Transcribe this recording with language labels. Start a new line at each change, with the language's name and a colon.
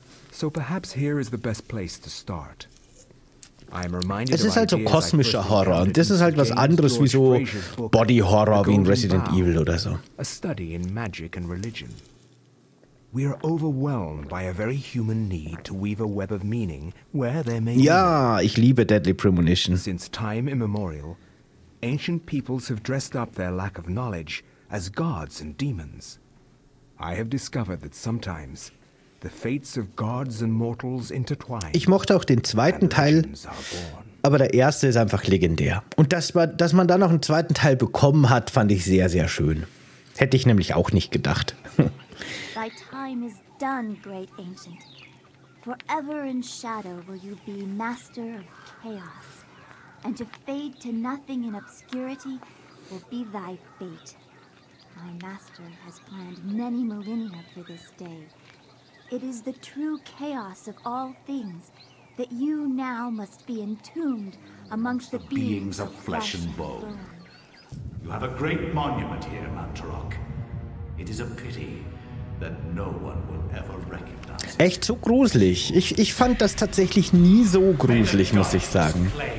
English: So perhaps here is the best place to start. I am reminded of ideas.
German: Es ist halt so kosmischer Horror und das ist halt was anderes wie so Body Horror wie in Resident Evil oder so.
English: A study in magic and religion. We are overwhelmed by a very human need to weave a web of meaning where there may be.
German: Ja, ich liebe Deadly Premonition.
English: Since time immemorial, ancient peoples have dressed up their lack of knowledge as gods and demons. I have discovered that sometimes the fates of gods and mortals intertwine.
German: Ich mochte auch den zweiten Teil, aber der erste ist einfach legendär. Und dass man da noch einen zweiten Teil bekommen hat, fand ich sehr, sehr schön. Hätte ich nämlich auch nicht gedacht.
English: Thy time is done, great ancient. Forever in shadow will you be master of chaos. And to fade to nothing in obscurity will be thy fate. My master has planned many millennia for this day. It is the true chaos of all things that you now must be entombed amongst the beings of flesh and bone. You have a great monument here, Manturok. It is a pity that no one will ever recognize.
German: Echt so gruselig. Ich fand das tatsächlich nie so gruselig, muss ich sagen.